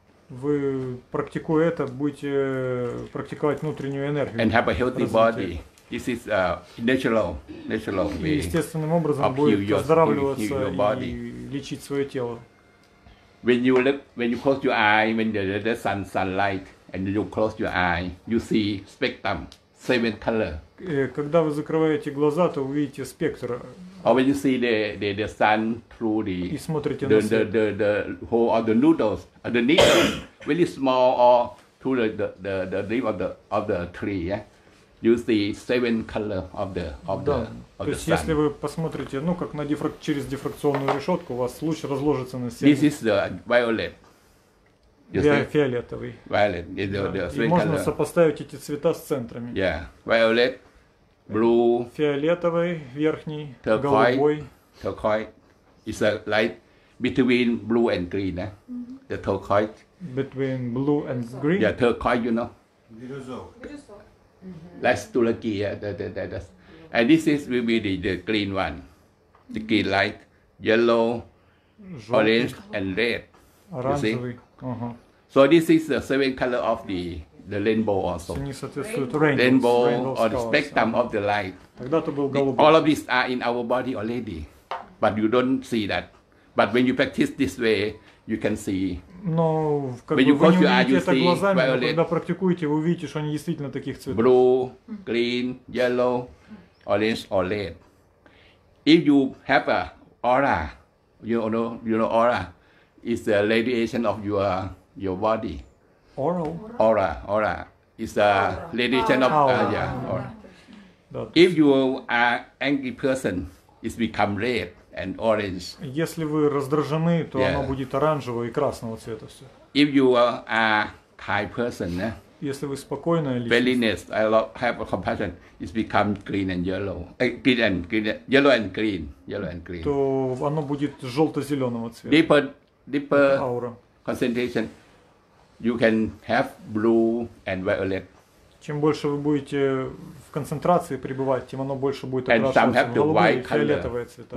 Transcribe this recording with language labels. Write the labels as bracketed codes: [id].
[ru] Вы практикуя это, будете практиковать внутреннюю энергию. [en] And have a healthy body. This is a natural way. [ru] И естественным образом будете оздоравливаться и лечить свое тело. [en] When you close your eye, when the sunlight, and you close your eye, you see spectrum, seven color. [ru] Когда вы закрываете глаза, то увидите спектр. [en] Or when you see the sun through the [ru] и смотрите [en] the hole of the noodles, or the needle, really small, or through the leaf of the tree, yeah? You see seven color of the sun. [ru] То есть если вы посмотрите, ну как на через дифракционную решетку, у вас луч разложится на семь. [en] This is the violet. [ru] Фиолетовый. [en] Violet. Yeah. [ru] И можно [en] color. [ru] Сопоставить эти цвета с центрами. [en] Yeah. Violet, blue. [ru] Фиолетовый верхний, [en] turquoise, [ru] голубой. [en] Turquoise. It's a light between blue and green, eh? Mm-hmm. The turquoise. Between blue and green. Yeah, turquoise, you know. Bluezo. Mm-hmm. That's Turkey, yeah. That's. And this is will be the green one. Mm-hmm. The green light, yellow, [ru] желтый. [en] Orange and red. [ru] Оранжевый. [en] You see? Uh-huh. So this is the seven color of the rainbow also. Rainbow or the spectrum of the light. [ru] Тогда-то был голубой. [en] All of these are in our body already, but you don't see that. But when you practice this way, you can see. [ru] Но как [en] when [ru] бы, [en] you close your eyes, you see [ru] глазами, [en] violet. [ru] Когда практикуете, вы увидите, что они действительно таких цветов. [en] Blue, green, yellow, orange or red. If you have a aura, you know aura. Is the radiation of your body. Oral. Aura. It's a radiation of aura. Yeah, aura. If you are angry person, it become red and orange. [ru] Если вы раздражены, то оно будет оранжевого и красного цвета все. [en] If you are kind person, [ru] если вы спокойная личность. [en] Friendliness, I have a compassion, it become green and yellow. Yellow and green. [ru] То оно будет желто-зеленого цвета. [en] Deeper concentration, you can have blue and violet. [ru] Чем больше вы будете в концентрации пребывать, тем оно больше будет окрашиваться в голубые и фиолетовые цвета.